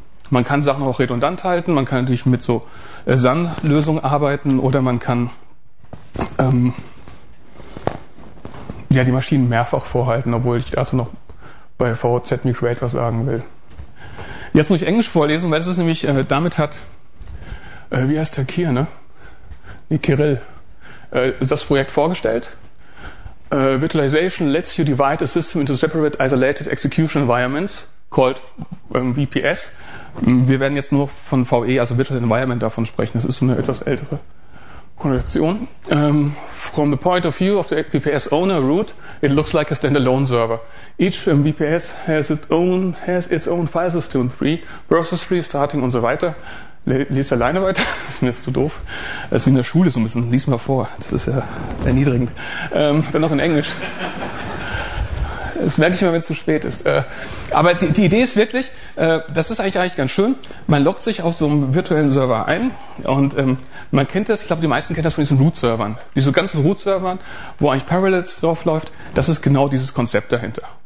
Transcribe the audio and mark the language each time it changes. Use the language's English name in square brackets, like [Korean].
[German] Man kann Sachen auch redundant halten, man kann natürlich mit so SAN-Lösungen arbeiten oder man kann ja die Maschinen mehrfach vorhalten, obwohl ich dazu noch bei VZ Migrate was sagen will. Jetzt muss ich Englisch vorlesen, weil es ist nämlich, damit hat, wie heißt der Kier, ne? Nee, Kirill, das Projekt vorgestellt. [English] Virtualization lets you divide a system into separate isolated execution environments called VPS. [German] Wir werden jetzt nur von VE, also Virtual Environment, davon sprechen. Das ist so eine etwas ältere Konnotation. [English] From the point of view of the VPS owner root, it looks like a standalone server. Each VPS has its own file system tree, process tree, starting [German] und so weiter. Lies alleine weiter, das ist mir jetzt zu doof. Das ist wie in der Schule so ein bisschen. Lies mal vor, das ist ja erniedrigend. Dann noch in Englisch. Das merke ich immer, wenn es zu spät ist. Aber die Idee ist wirklich, das ist eigentlich ganz schön, man loggt sich auf so einem virtuellen Server ein und man kennt das, ich glaube, die meisten kennen das von diesen Root-Servern, diese ganzen Root-Servern, wo eigentlich Parallels draufläuft, das ist genau dieses Konzept dahinter.